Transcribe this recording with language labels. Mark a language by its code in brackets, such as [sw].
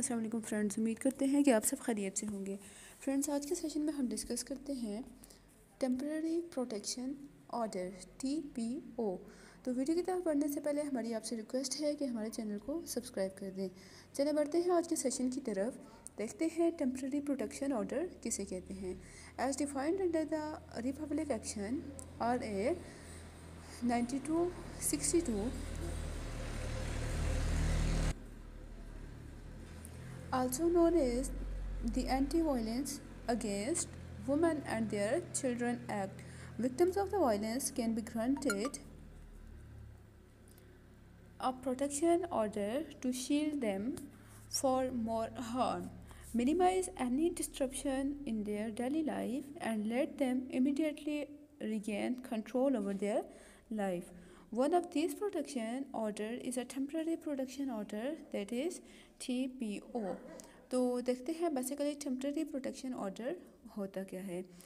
[ur] السلام علیکم فرینڈز, امید کرتے ہیں کہ آپ سب خیریت سے ہوں گے. فرینڈز, آج کے سیشن میں ہم ڈسکس کرتے ہیں temporary protection order, T P او. تو ویڈیو کی طرف بڑھنے سے پہلے ہماری آپ سے ریکویسٹ ہے کہ ہمارے چینل کو سبسکرائب کر دیں. چلیں بڑھتے ہیں آج کے سیشن کی طرف, دیکھتے ہیں ٹیمپرری پروٹیکشن آرڈر کسے کہتے ہیں. [en] As defined under the Republic action R A 9262, also known as the Anti-Violence Against Women and Their Children Act, victims of the violence can be granted a protection order to shield them for more harm, minimize any disruption in their daily life, and let them immediately regain control over their life. One of these protection order is a temporary protection order, that is TPO. [ur] تو دیکھتے ہیں basically temporary protection order ہوتا کیا ہے.